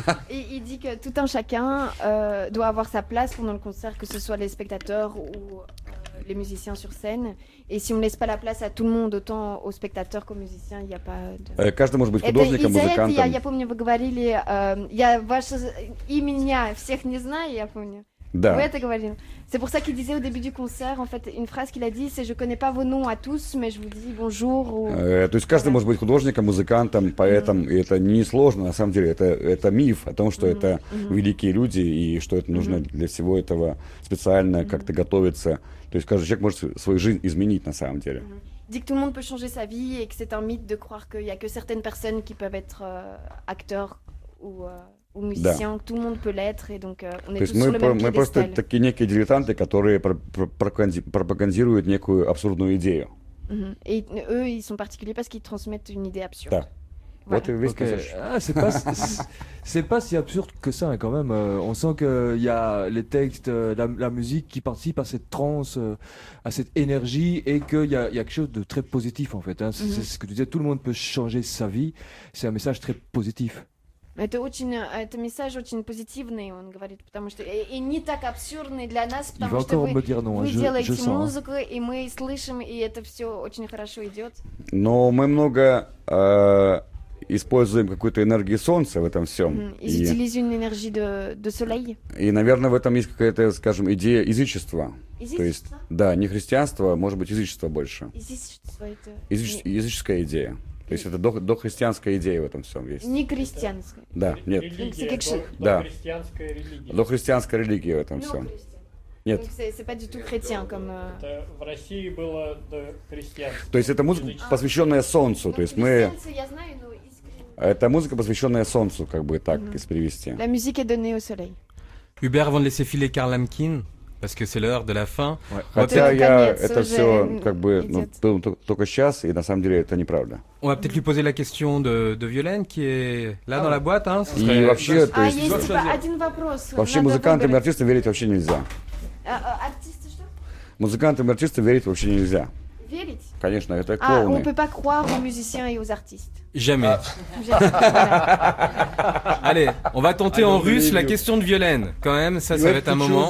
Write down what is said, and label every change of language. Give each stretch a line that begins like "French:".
French: Il dit que tout un chacun doit avoir sa place pendant le concert, que ce soit les spectateurs ou les musiciens sur scène. Et si on ne laisse pas la place à tout le monde, autant aux spectateurs qu'aux musiciens, il n'y a pas... De...
Russian: Каждый может быть художником, музыкантом. Я помню, вы говорили... Я ваше имя всех не знаю, я помню. Да. Вы это говорили.
French: C'est pour ça qu'il disait au début du concert, en fait, une phrase qu'il a dit, c'est « Je ne connais pas vos noms à tous, mais je vous dis bonjour. Ou... »
Russian: То есть каждый может быть художником, музыкантом, поэтом, mm-hmm. и это не сложно, на самом деле, это миф о том, что mm-hmm. это mm-hmm. великие люди, и что это нужно mm-hmm. для всего этого специально mm-hmm. как-то готовиться. То есть каждый человек может свою жизнь изменить, на самом деле. Mm-hmm.
French: Dit que tout le monde peut changer sa vie, et que c'est un mythe de croire qu'il n'y a que certaines personnes qui peuvent être acteurs ou musicien,
Russian: да.
French: Que tout le monde peut l'être, et donc on
Russian: То
French: est tous sur le même piédestal.
Russian: Мы просто такие некие дилетанты, которые пропагандируют некую абсурдную идею. Mm-hmm.
French: Et eux, ils sont particuliers parce qu'ils transmettent une idée absurde.
Russian: Да.
French: Voilà.
English: Okay. Okay.
French: Ah, c'est pas si absurde que ça, quand même. On sent qu'il y a les textes, la musique qui participent à cette transe, à cette énergie, et qu'il y a quelque chose de très positif, en fait. Hein. Mm-hmm. C'est ce que tu disais, tout le monde peut changer sa vie. C'est un message très positif.
Russian: Это очень, это месседж очень позитивный, он говорит, потому что и не так абсурдный для нас, потому что вы делаете музыку, и мы слышим, и это все очень хорошо идет. Но мы много используем какую-то энергию солнца в этом всем. Используем энергию
French: de soleil.
Russian: И, наверное, в этом есть какая-то, скажем, идея язычества. Язычество? То есть, да, не христианство, может быть, язычество больше. Язычество это... Языческая идея. То есть это дохристианская идея в этом всем есть. Не христианская. Да, нет. Религия, да. Дохристианская религия. Дохристианская религия в этом всем. Нет. Это в России было дохристианство. То есть это музыка, посвященная солнцу. То есть мы... Я знаю, но искренне... Это музыка, посвященная солнцу, как бы так, mm-hmm. если перевести.
French: La musique est donnée au soleil. Hubert, vont laisser filer Karl Lemkin? Parce que c'est l'heure de la fin.
Russian: Хотя я это все как бы только сейчас, и на самом деле это неправда.
French: On va peut-être lui poser la question de Violaine qui est là dans la boîte. Hein,
Russian: и вообще, то есть... есть типа, один вопрос. Вообще музыкантам и артистам верить вообще нельзя. Артисты что? Музыкантам и артистам верить вообще нельзя. Верить? Конечно, это клоуны.
French: On peut pas croire aux musiciens et aux artistes. Jamais. Allez, on va tenter en russe la question de Violaine. Quand même, ça va être un moment.